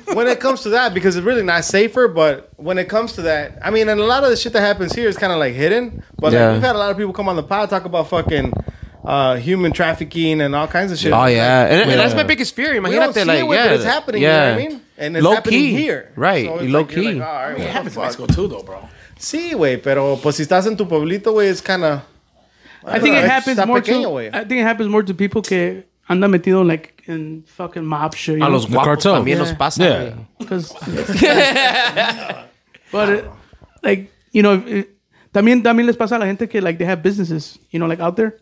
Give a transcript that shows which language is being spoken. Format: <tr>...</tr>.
<en>When it comes to that, because it's really not safer, but when it comes to that, I mean, and a lot of the shit that happens here is kind of like hidden, but yeah. Like, we've had a lot of people come on the pod talk about fucking human trafficking and all kinds of shit. Oh, yeah. And that's my biggest fear. Imagine if they're like, yeah. But it's happening, you know what I mean? And it's low happening key. Here. Right. So low like, key. Like, oh, all right, I mean, it happens in Mexico too, though, bro.</en> <es>Sí, güey, pero pues si estás en tu pueblito, güey, es</es> <en>kind of... I think it happens more to people</en> <es>que andan metido,</es> <en>like, in fucking mob shit.</en> <es>A los guapos también los pasa.</es> <en>Yeah. Because... But, like, you know,</en> <es>también les pasa a la gente que,</es> <en>like, they have businesses, you know, like, out there.</en>